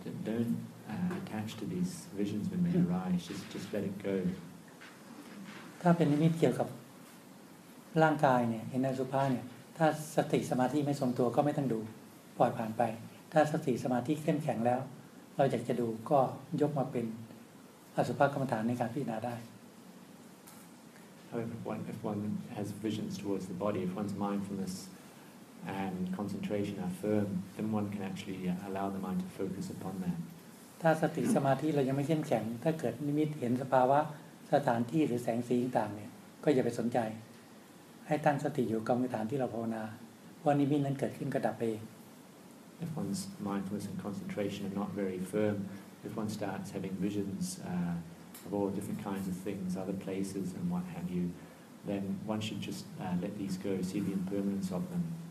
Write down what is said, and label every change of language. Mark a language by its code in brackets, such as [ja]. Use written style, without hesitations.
[en] Don't attach to these visions when they arise. Just let it go. [th] ถ้าเป็นนิมิตเกี่ยวกับร่างกายเนี่ยเห็นอสุภะเนี่ยถ้าสติสมาธิไม่ทรงตัวก็ไม่ต้องดูปล่อยผ่านไปถ้าสติสมาธิเข้มแข็งแล้วเราอยากจะดูก็ยกมาเป็นอสุภะกรรมฐานในการพิจารณาได้ [en] However, if one has visions towards the body, if one's mindfulness and concentration are firm, then one can actually allow the mind to focus upon that. [th] ถ้าสติสมาธิเรายังไม่เข้มแข็งถ้าเกิดนิมิตเห็นสภาวะสถานที่หรือแสงสีต่างเนี่ยก็อย่าไปสนใจให้ตั้งสติอยู่กับสถานที่เราภาวนาว่านิมิตนั้นเกิดขึ้นก็ดับไปเอง [en] If one's mindfulness and concentration are not very firm, if one starts having visions. Of all different kinds of things, other places, and what have you, then one should just let these go, see the impermanence of them.